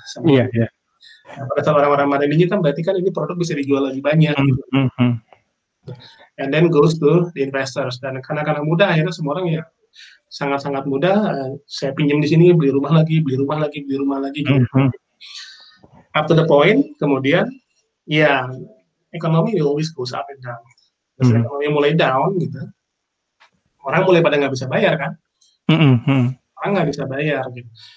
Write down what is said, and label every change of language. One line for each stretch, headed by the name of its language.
Indonesian: Iya, iya. Nah, pada saat orang-orang pada minjem kan berarti kan ini produk bisa dijual lebih banyak. Gitu.
English: And then goes to the investors.
Indonesian: Dan karena muda akhirnya semua orang ya sangat-sangat mudah, saya pinjam di sini, beli rumah lagi, beli rumah lagi, beli rumah lagi. Gitu.
English: Up to the point,
Indonesian: kemudian ya ekonomi
English: always goes up and down.
Indonesian: Ekonomi mulai down gitu, orang mulai pada nggak bisa bayar kan, orang nggak bisa bayar gitu.